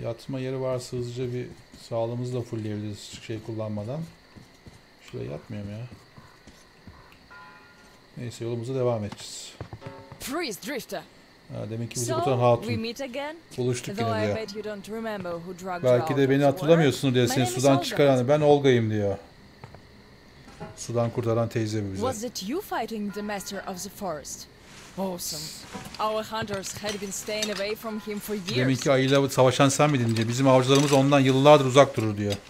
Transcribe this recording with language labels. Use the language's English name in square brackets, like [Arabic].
[Turkish] Yatma yeri varsa hızlıca bir sağlığımızı da fullleyebiliriz şey kullanmadan. Şuraya yatmıyorum ya. Neyse, yolumuza devam edeceğiz. Freeze Drifter. Demek ki bizi kurtaran hatun. Buluştuk yine diyor. Belki de beni hatırlamıyorsun diye seni sudan çıkaran, ben Olga'yım diyor. Sudan kurtaran teyze mi bize? [English] Was it you fighting the master of the forest? Awesome. Our hunters had been staying away from him for years. [Turkish] Demek ki ayıyla savaşan sen miydin diye. Bizim avcılarımız ondan yıllardır uzak durur diyor.